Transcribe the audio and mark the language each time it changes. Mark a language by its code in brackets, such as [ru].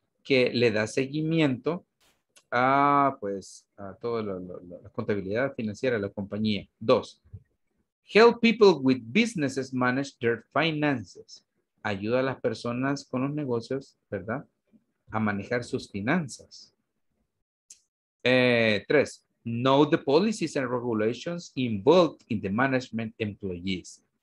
[es] Que le da seguimiento a, pues, a toda la contabilidad financiera de la compañía. [en] Dos, help people with businesses manage their finances. [es] Ayuda a las personas con los negocios, ¿verdad? A manejar sus finanzas. [en] Tres, know the policies and regulations involved in the management employees.